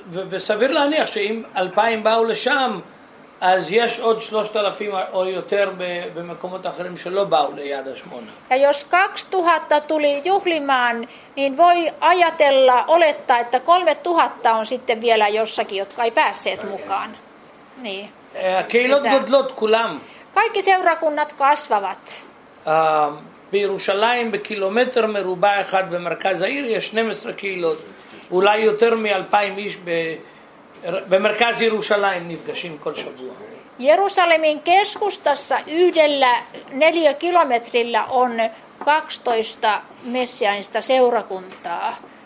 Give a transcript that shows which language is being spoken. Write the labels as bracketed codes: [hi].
[he] וסביר להניח שאם 2,000 באו לשם, אז יש עוד 3,000 או יותר במקומות אחרים שלא באו ליד השמונה. [fi] Ja jos 2,000 tuli juhlimaan, niin voi ajatella, olettaa, että 3,000 on sitten vielä jossakin, jotka ei päässeet mukaan. Niin. [he] הקהילות גודלות כולם. [fi] Kaikki seurakunnat kasvavat. [he] בירושלים בקילומטר מרובע אחד במרכז העיר יש 12 קהילות. אולי יותר מ-2,000 איש במרכז ירושלים נפגשים כל שבוע. [fi] Jerusalemin keskustassa yhdellä 4 kilometrillä on 12 messiaanista seurakuntaa.